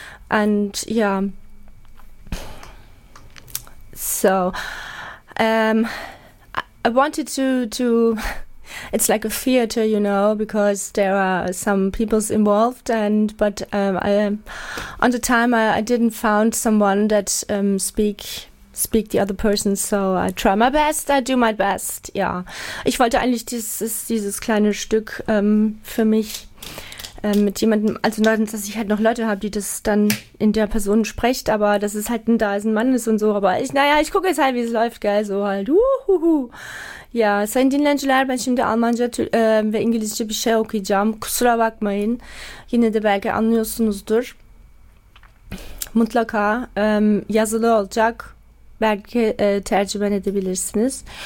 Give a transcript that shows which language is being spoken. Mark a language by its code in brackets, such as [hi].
[en] And yeah, so I wanted to. It's like a theater, you know, because there are some peoples involved. On the time, I didn't found someone that speak the other person. So I try my best. I do my best. [de] Ja, ich wollte eigentlich dieses kleine Stück für mich mit jemandem. Also dass ich halt noch Leute habe, die das dann in der Person spricht. Aber das ist halt ein Mann ist und so. Aber ich gucke jetzt halt, wie es läuft, gell? So halt. Uhuhu. [tr] Ja, sein dinlenciler ben şimdi Almanca ve İngilizce bir şey okuyacağım. Kusura bakmayın. Yine de belki anlıyorsunuzdur. Mutlaka yazılı olacak. Belki tercüme edebilirsiniz.